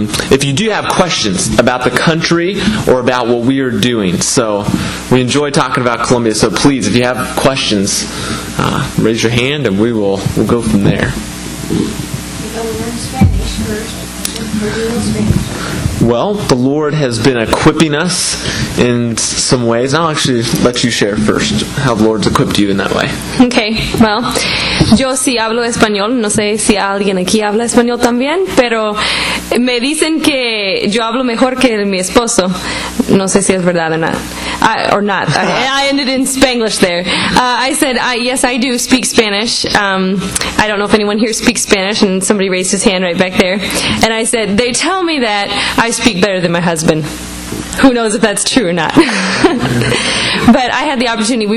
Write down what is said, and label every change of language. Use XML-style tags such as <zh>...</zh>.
<en>If you do have questions about the country or about what we are doing, so we enjoy talking about Colombia, so please, if you have questions, raise your hand and we'll go from there. Can you go over and spend each first? Well, the Lord has been equipping us in some ways. I'll actually let you share first how the Lord's equipped you in that way.</en> <es>Okay, well, yo sí hablo español. No sé si alguien aquí habla español también, pero me dicen que yo hablo mejor que mi esposo. No sé si es verdad o no.</es> <en>I ended in Spanglish there. I said, yes, I do speak Spanish. I don't know if anyone here speaks Spanish, and somebody raised his hand right back there. And I said, they tell me that I speak better than my husband. Who knows if that's true or not. But I had the opportunity.</en>